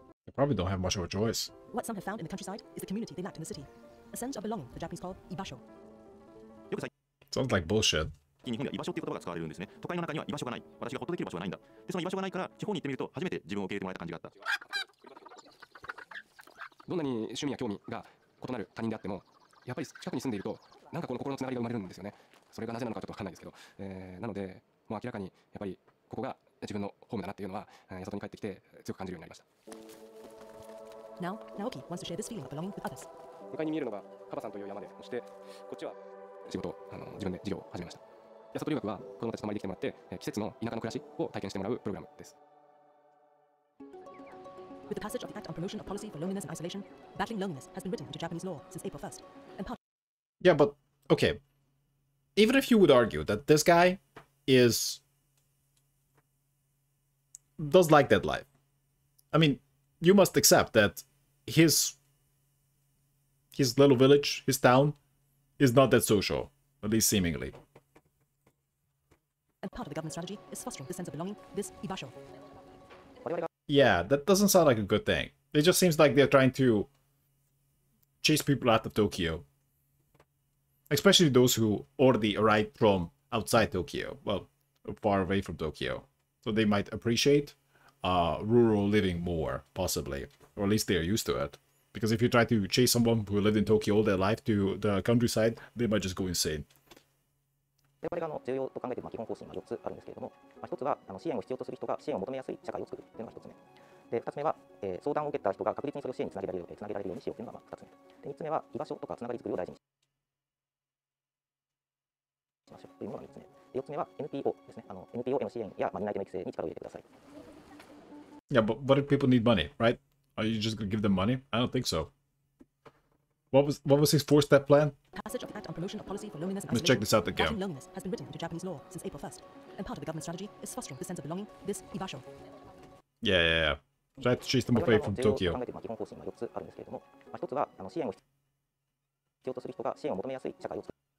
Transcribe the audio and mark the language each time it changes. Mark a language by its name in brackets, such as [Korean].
[English] They probably don't have much of a choice. What some have found in the countryside is the community they lacked in the city, a sense of belonging the Japanese call ibasho. Sounds like bullshit. [Japanese] 日本では居場所という言葉が使われるんですね。都会の中には居場所がない。私がほっとできる場所はないんだ。で、その居場所がないから地方に行ってみると初めて自分を受け入れてもらえた感じがあった。どんなに趣味や興味が異なる他人であっても、やっぱり近くに住んでいるとなんかこの心のつながりが生まれるんですよね。それがなぜなのかちょっとわかんないですけど、なのでもう明らかにやっぱりここが自分のホームだなっていうのは、八里に帰ってきて強く感じるようになりました。 [English] Now, Naoki wants to share this feeling of belonging with others. [Japanese] 向かいに見えるのがカバさんという山で、そしてこっちは仕事、自分で事業を始めました。ヤサト留学は子供たちと泊まりに来てもらって、季節の田舎の暮らしを体験してもらうプログラムです。 [English] With the passage of the Act on Promotion of Policy for Loneliness and Isolation, battling loneliness has been written into Japanese law since April 1st. Yeah, but okay. Even if you would argue that this guy is does like that life, I mean, you must accept that his little village, his town, is not that social, at least seemingly. And part of the government's strategy is fostering this sense of belonging, this ibasho. Yeah, that doesn't sound like a good thing. It just seems like they're trying to chase people out of Tokyo. Especially those who already arrived from outside Tokyo. Well, far away from Tokyo. So they might appreciate rural living more, possibly. Or at least they are used to it. Because if you try to chase someone who lived in Tokyo all their life to the countryside, they might just go insane. [Japanese] で、これが重要と考えている基本方針は4つあるんですけれども、まあ、1つは支援を必要とする人が支援を求めやすい社会を作るというのが1つ目。で、2つ目は、相談を受けた人が確実にそれを支援につなげられる、つなげられるようにしようというのが2つ目。で、3つ目は居場所とかつながり作りを大事にしましょうというのが3つ目。で、4つ目は NPO ですね。NPO への支援や、担い手の育成に力を入れてください。 [English] Yeah, but what if people need money, right? Are you just going to give them money? I don't think so. What was his four-step plan? Passage of the Act on Promotion of Policy for Loneliness and Isolation. Let's check this out again. Loneliness has been written into Japanese law since April 1st, and part of the government's strategy is fostering the sense of belonging, this ibasho. Yeah. Try to chase them away from Tokyo. [Japanese] 基本方針は4つあるんですけれども、まあ、1つは支援を必要とする人が支援を求めやすい社会を作る。